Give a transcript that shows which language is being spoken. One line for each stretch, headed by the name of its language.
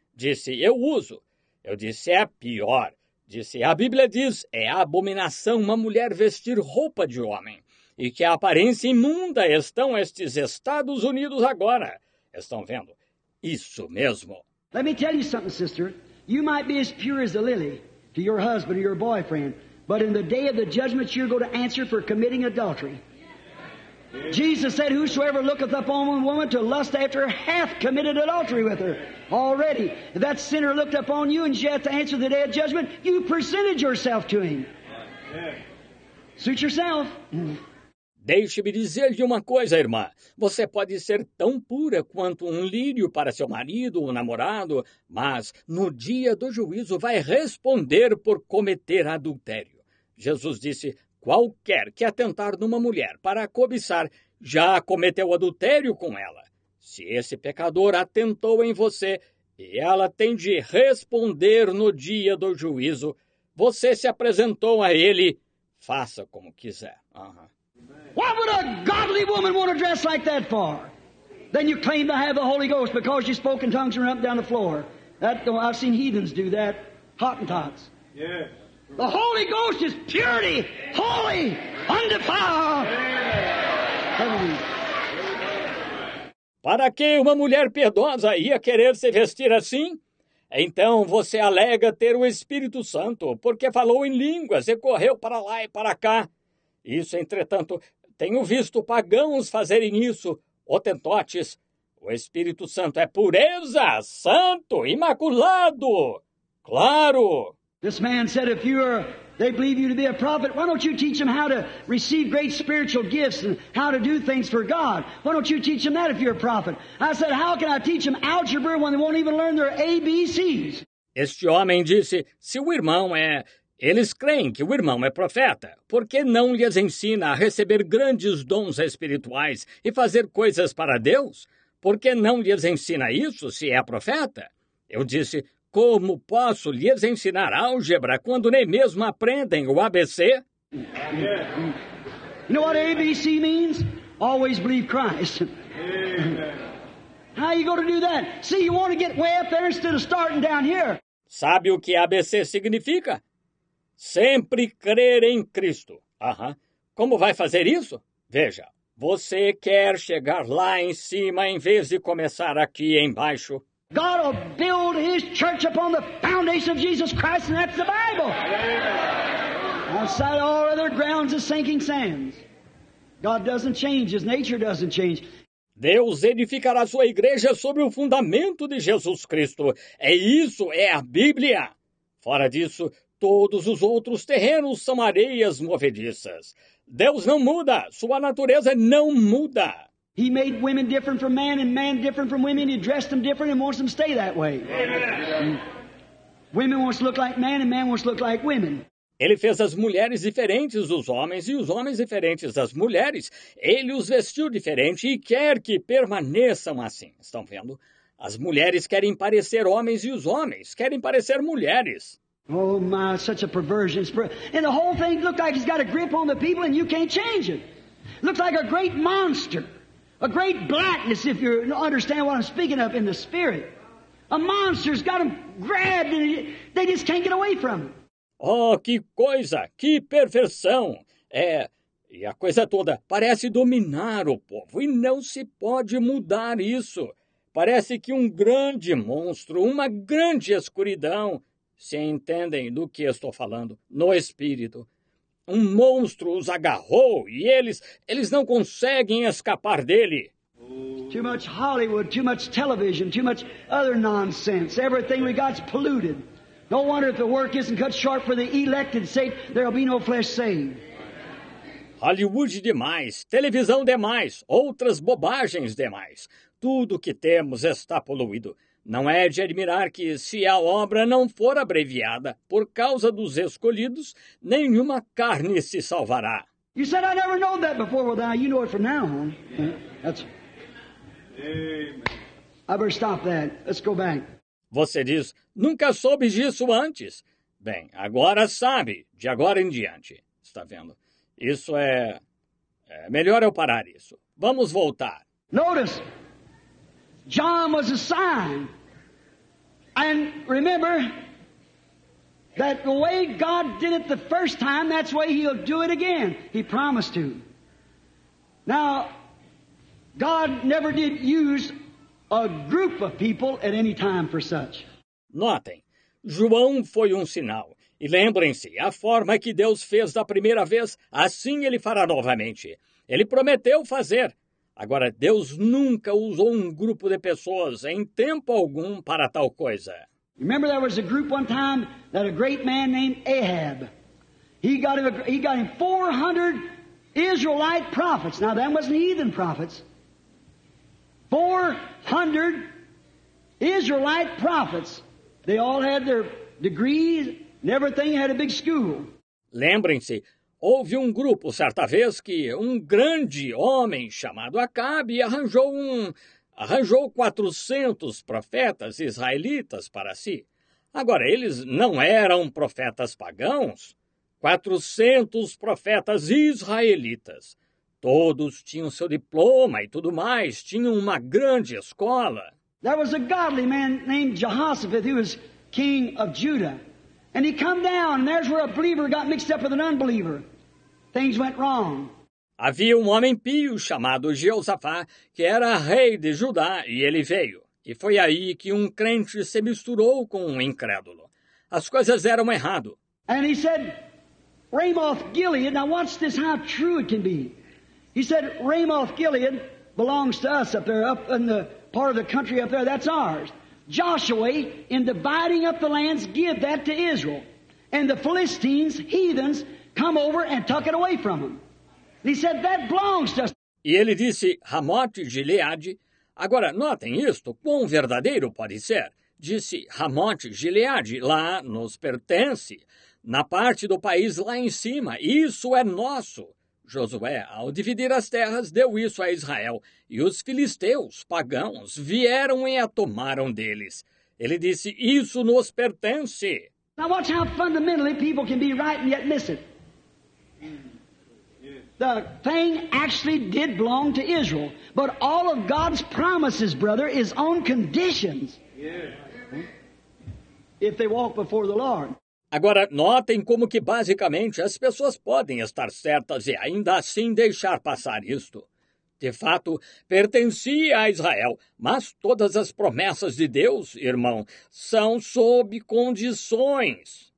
Portuguese: Disse, eu uso. Eu disse, é pior. Disse, a Bíblia diz, é abominação uma mulher vestir roupa de homem. E que a aparência imunda estão estes Estados Unidos agora. Estão vendo? Isso mesmo.
English: Let me tell you something, sister. You might be as pure as a lily to your husband or your boyfriend, but in the day of the judgment you're going to answer for committing adultery. Jesus said, whosoever looketh upon a woman to lust after her hath committed adultery with her already. If that sinner looked upon you and she hath to answer the day of judgment, you presented yourself to him. Suit yourself.
Portuguese: Deixe-me dizer-lhe uma coisa, irmã. Você pode ser tão pura quanto um lírio para seu marido ou namorado, mas no dia do juízo vai responder por cometer adultério. Jesus disse, qualquer que atentar numa mulher para cobiçar, já cometeu adultério com ela. Se esse pecador atentou em você, e ela tem de responder no dia do juízo, você se apresentou a ele, faça como quiser.
English: What would a godly woman want to dress like that for? Then you claim to have the Holy Ghost because you spoke in tongues and run up down the floor. I've seen heathens do that, Hottentots. Yeah. The Holy Ghost is purity, holy, undefiled.
Portuguese: Para que uma mulher piedosa ia querer se vestir assim? Então você alega ter o Espírito Santo, porque falou em línguas e correu para lá e para cá. Isso, entretanto, tenho visto pagãos fazerem isso, hotentotes. O Espírito Santo é pureza, santo, imaculado, claro.
English: This man said, if they believe you to be a prophet, why don't you teach them how to receive great spiritual gifts and how to do things for God? Why don't you teach them that if you're a prophet? I said, how can I teach them algebra when they won't even learn their ABCs?
Portuguese: Este homem disse, se o irmão é... Eles creem que o irmão é profeta, por que não lhes ensina a receber grandes dons espirituais e fazer coisas para Deus? Por que não lhes ensina isso se é profeta? Eu disse... Como posso lhes ensinar álgebra quando nem mesmo aprendem o ABC?
English: You know what ABC means? Always believe Christ. How are you going to do that? See, you want to get way up there instead of starting down here.
Portuguese: Sabe o que ABC significa? Sempre crer em Cristo. Como vai fazer isso? Veja, você quer chegar lá em cima em vez de começar aqui embaixo.
English: God will build his church upon the foundation of Jesus Christ, and that's the Bible. Outside all other grounds is sinking sands. God doesn't change, his nature doesn't change.
Portuguese: Deus edificará sua igreja sobre o fundamento de Jesus Cristo. É isso, é a Bíblia. Fora disso, todos os outros terrenos são areias movediças. Deus não muda, sua natureza não muda.
English: He made women different from man and man different from women. He dressed them different and wants them to stay that way. Women wants to look like man and man wants to look like women.
Portuguese: Ele fez as mulheres diferentes dos homens e os homens diferentes das mulheres. Ele os vestiu diferente e quer que permaneçam assim. Estão vendo? As mulheres querem parecer homens e os homens querem parecer mulheres.
English: Oh my, such a perversion. And the whole thing looks like it's got a grip on the people and you can't change it. Looks like a great monster. A great blackness, if you understand what I'm speaking of in the spirit. A monster's got them grabbed and they just can't get away from it.
Portuguese: Oh, que coisa, que perversão. É, e a coisa toda parece dominar o povo e não se pode mudar isso. Parece que um grande monstro, uma grande escuridão, se entendem do que estou falando, no espírito. Um monstro os agarrou e eles não conseguem escapar dele.
English: Too much Hollywood, too much television, too much other nonsense. Everything we got's polluted. No wonder if the work isn't cut short for the elected sake, there'll be no flesh saved.
Portuguese: Hollywood demais, televisão demais, outras bobagens demais. Tudo que temos está poluído. Não é de admirar que, se a obra não for abreviada por causa dos escolhidos, nenhuma carne se salvará.
English: You said I never known that before. Well, now you know it from now on. That's... Amen. I better stop that. Let's go back.
Portuguese: Você diz, nunca soube disso antes. Bem, agora sabe, de agora em diante. Está vendo? Isso é... é melhor eu parar isso. Vamos voltar.
English: Notice, John was a sign. And remember, that the way God did it the first time, that's the way he'll do it again. He promised to. Now, God never did use... a group of people at any time for such.
Portuguese: Notem, João foi um sinal. E lembrem-se, a forma que Deus fez da primeira vez, assim ele fará novamente. Ele prometeu fazer. Agora, Deus nunca usou um grupo de pessoas em tempo algum para tal coisa.
English: Remember there was a group one time that a great man named Ahab. He got him 400 Israelite prophets. Now, them wasn't heathen prophets. 400 Israelite prophets. They all had their degrees and everything, had a big school.
Portuguese: Lembrem-se, houve um grupo certa vez que um grande homem chamado Acabe arranjou 400 profetas israelitas para si. Agora, eles não eram profetas pagãos, 400 profetas israelitas. Todos tinham seu diploma e tudo mais, tinham uma grande escola.
English: There was a godly man named Jehoshaphat who was king of Judah. And he come down, and there's where a believer got mixed up with an unbeliever. Things went wrong.
Portuguese: Havia um homem pio chamado Jeosafá, que era rei de Judá, e ele veio. E foi aí que um crente se misturou com um incrédulo. As coisas eram errado.
English: And he said, Ramoth Gilead, now watch this, how true it can be. He said, Ramoth Gilead belongs to us up there, up in the part of the country up there, that's ours. Joshua, in dividing up the lands, give that to Israel. And the Philistines, heathens, come over and took it away from them. He said, that belongs to us.
Portuguese: E ele disse, Ramoth Gilead, agora notem isto, quão verdadeiro pode ser. Disse, Ramoth Gilead, lá nos pertence, na parte do país lá em cima, isso é nosso. Josué, ao dividir as terras, deu isso a Israel, e os filisteus, pagãos, vieram e a tomaram deles. Ele disse, isso nos pertence.
English: Now watch how fundamentally people can be right and yet miss it. The thing actually did belong to Israel, but all of God's promises, brother, is on conditions. If they walk before the Lord.
Portuguese: Agora, notem como que basicamente as pessoas podem estar certas e ainda assim deixar passar isto. De fato, pertencia a Israel, mas todas as promessas de Deus, irmão, são sob condições.